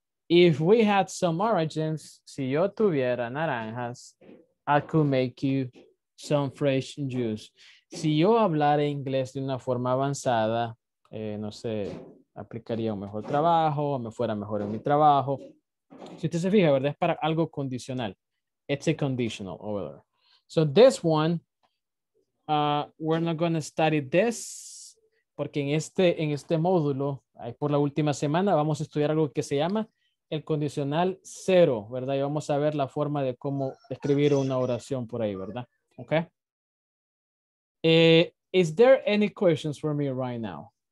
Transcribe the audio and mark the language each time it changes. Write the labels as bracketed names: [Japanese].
[English] If we had some oranges, [Spanish] si yo tuviera naranjas, [English] I could make you some fresh juice. [Spanish] Si yo hablara inglés de una forma avanzada, no sé, aplicaría un mejor trabajo, me fuera mejor en mi trabajo. Si usted se fija, ¿verdad? Es para algo condicional. [English] It's a conditional over there. So this one, we're not going to study this. [Spanish] Porque en este módulo, ahí por la última semana, vamos a estudiar algo que se llama el condicional cero, ¿verdad? Y vamos a ver la forma de cómo escribir una oración por ahí, ¿verdad? [English] Ok. Is there any questions for me right now?